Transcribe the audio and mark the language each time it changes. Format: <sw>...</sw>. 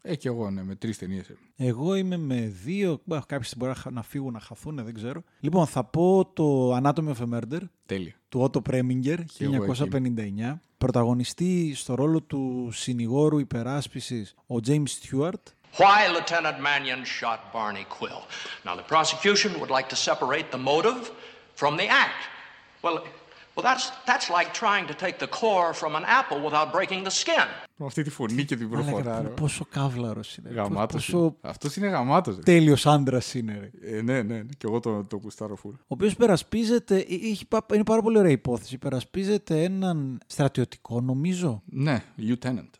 <el>Και εγώ, ναι, με τρεις ταινίες. Εγώ είμαι με δύο. Κάποιοι μπορεί να φύγουν, να χαθούν, δεν ξέρω. Λοιπόν, θα πω το Anatomy of a Murder. Τέλεια. Του Ότο Πρέμιγκερ, 1959. Πρωταγωνιστεί στο ρόλο του συνηγόρου υπεράσπισης ο James Stewart.</el> <en>Why Lieutenant Mannion shot Barney Quill? Now the prosecution would like to separate the motive from the act. Well, that's like trying to take the core from an apple without breaking the skin.</en> <el>Αυτή τη φωνή και την προφορά. Πόσο κάβλαρος είναι. Γαμάτος. Αυτός είναι γαμάτος. Τέλειος άντρας είναι. Ναι. Και εγώ το κουστάρω φουλ. Ο οποίος περασπίζεται, είναι πάρα πολύ ωραία υπόθεση, περασπίζεται έναν στρατιωτικό νομίζω. Ναι, lieutenant.</el>